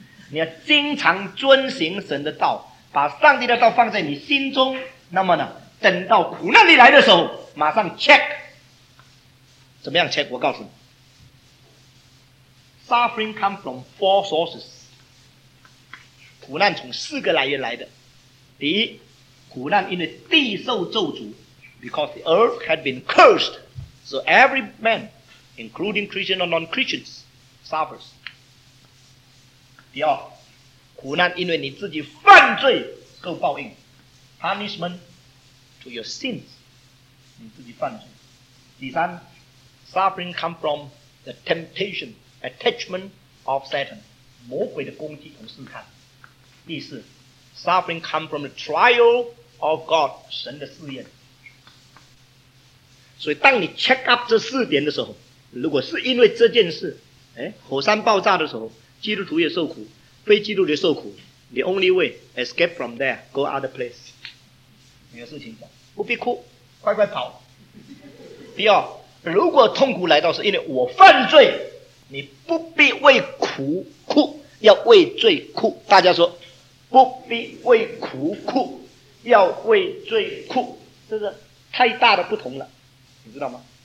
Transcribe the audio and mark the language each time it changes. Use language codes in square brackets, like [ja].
[zh] 你要经常遵行神的道，把上帝的道放在你心中，那么呢，等到苦难里来的时候，马上 check。怎么样 check？ 我告诉你， [en] Suffering comes from four sources. [zh] 苦难从四个来源来的。第一，苦难因为地受咒诅 [en] ，because the earth had been cursed, so every man, including Christian or non-Christians, suffers. [zh] 第二，苦难因为你自己犯罪受报应 [en] ，punishment to your sins, [zh] 你自己犯罪。第三 [en] ，suffering come from the temptation, attachment of Satan, [zh] 魔鬼的攻击和试探。第四 [en] ，suffering come from the trial of God, [zh] 神的试验。所以，当你 check up 这四点的时候，如果是因为这件事，火山爆炸的时候，基督徒也受苦，非基督徒也受苦。 [en] The only way escape from there, go other place. [zh] 没有事情的，不必哭，快快跑。第二，如果痛苦来到是因为我犯罪，你不必为苦哭，要为罪哭。大家说，不必为苦哭，要为罪哭，这是太大的不同了，你知道吗？